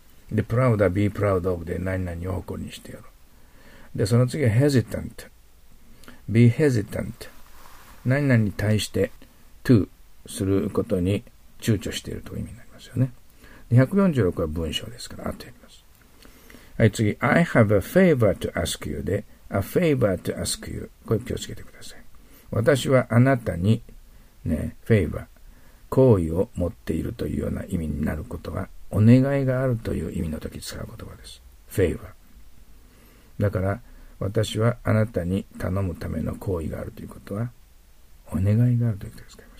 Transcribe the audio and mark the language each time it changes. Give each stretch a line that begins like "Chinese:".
Japanese: で、proud は
English: be proud of
Japanese: で何々を誇りにしてやる。で、その次は hesitant。
English: be hesitant。
Japanese: 何々に対して to することに躊躇しているという意味になりますよね。で、146は文章ですから、あとやります。はい、次。
English: I have a favor to ask you で、a favor to ask you。
Japanese: これ気をつけてください。私はあなたに、ね、favor、好意を持っているというような意味になることは、お願いがあるという意味の時使う言葉です。
English: favor。
Japanese: だから、私はあなたに頼むための好意があるということは、お願いがあるということです。